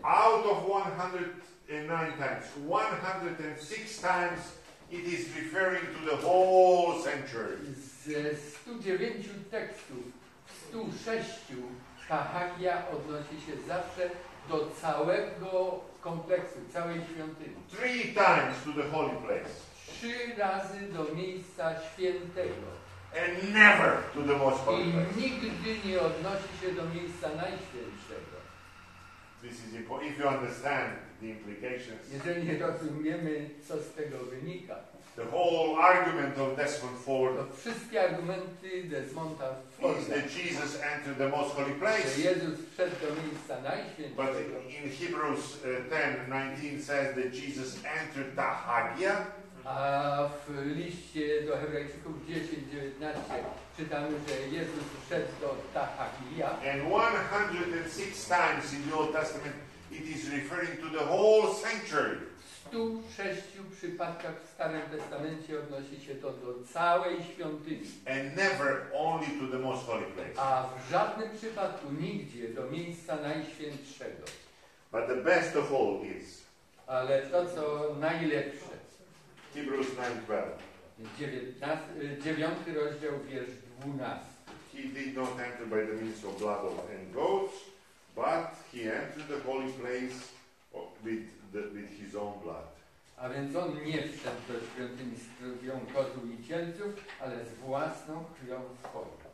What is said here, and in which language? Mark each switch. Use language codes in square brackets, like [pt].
[en] Out of 109 times, 106 times it is referring to the whole sanctuary. [pl] Ze 109 tekstów, w 106 tahagia odnosi się zawsze do całego kompleksu, całej świątyni. [en] 3 times to the holy place. [pl] 3 razy do miejsca świętego. [en] And never to the most holy place. [pl] I nigdy nie odnosi się do miejsca najświętszego. [en] This is important. If you understand the implications. [pl] Jeżeli nie rozumiemy, co z tego wynika. [en] The whole argument of Desmond Ford. [pl] Wszystkie argumenty Desmonda Forda. [en] Is that Jesus entered the most holy place? [pl] Że Jezus wszedł do miejsca najświętszego. [en] But in Hebrews 10:19 says that Jesus entered the Hagia. [pl] A w liście do Hebrajczyków 10:19 czytamy, że Jezus wszedł do tahagia. [en] And 106 times in the Old Testament it is referring to the whole sanctuary. [pl] W 106 przypadkach w Starym Testamencie odnosi się to do całej świątyni. [en] And never only to the most holy place. [pl] A w żadnym przypadku nigdzie do miejsca najświętszego. [en] But the best of all is. [pl] Ale to, co najlepsze. [en] Hebrews 9:12. [pl] 9 rozdział, wiersz 12. [en] He did not enter by the means of blood and goats, but he entered the holy place with his own blood. [pl] A więc on nie wszedł do świątyni z krwią kotów i cielców, ale z własną krwią swoją.